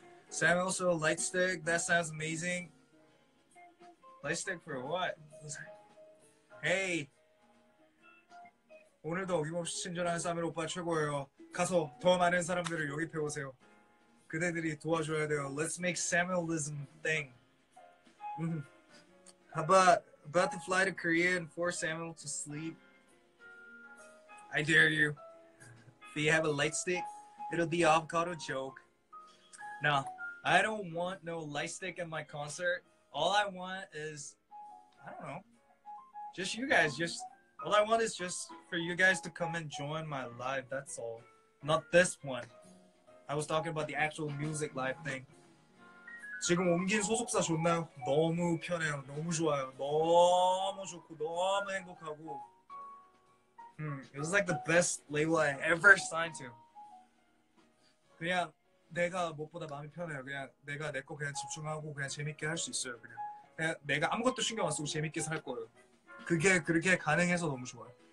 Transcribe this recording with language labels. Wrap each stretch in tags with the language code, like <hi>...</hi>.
<en>Sam, also a light stick. That sounds amazing. Light stick for what? Hey.</en> <ko>오늘도 어김없이 친절한 사미르 오빠 최고예요. 가서 더 많은 사람들을 영입해 오세요. 그대들이 도와줘야 돼요.</ko> <en>Let's make Samuelism thing. How about to fly to Korea and force Samuel to sleep? I dare you. Do you have a light stick? It'll be avocado joke. Nah, I don't want no light stick in my concert. All I want is, I don't know, just you guys. All I want is just for you guys to come and join my live. That's all. Not this one. I was talking about the actual music live thing.</en> <ko>지금 옮긴 소속사 좋나요? 너무 편해요. 너무 좋아요. 너무 좋고 너무 행복하고.</ko> <en>It was like the best label I ever signed to.</en> <ko>그냥 내가 무엇보다 마음이 편해요. 그냥 내가 내 거 그냥 집중하고 그냥 재밌게 할 수 있어요. 그냥 내가 아무것도 신경 안 쓰고 재밌게 살 거예요. 그게 그렇게 가능해서 너무 좋아요.</ko>